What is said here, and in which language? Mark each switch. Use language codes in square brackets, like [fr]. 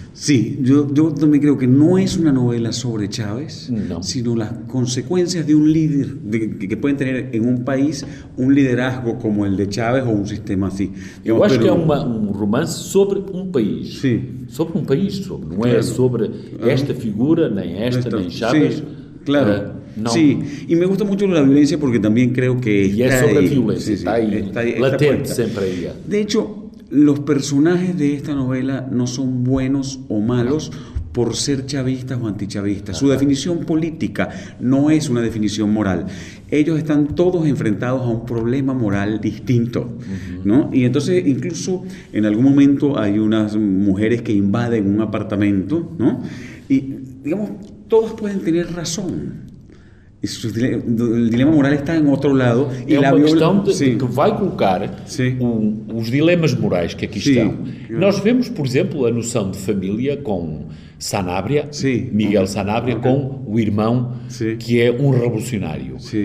[pt] Sim, eu também creio que não é uma novela sobre Chávez, sino as consequências de um líder, que podem ter em um país um liderazgo como o de Chávez ou um sistema assim. Eu acho que é um romance sobre um país. Sim. Sobre um país, não é sobre esta figura, nem esta, nem Chávez. Sim, claro. [es] No. Sí, y me gusta mucho la violencia porque también creo que y está es sobre ahí. Violencia, sí, está ahí, está latente siempre ella. De hecho, los personajes de esta novela no son buenos o malos por ser chavistas o antichavistas. Su definición política no es una definición moral. Ellos están todos enfrentados a un problema moral distinto, ¿no? Y entonces, incluso en algún momento hay unas mujeres que invaden un apartamento, ¿no? Y, digamos, todas pueden tener razón. [pt] O dilema moral está em outro lado. É uma questão de que vai colocar os dilemas morais que aqui estão. Nós vemos, por exemplo, a noção de família com Sanabria, Miguel Sanabria, com o irmão, que é um revolucionário.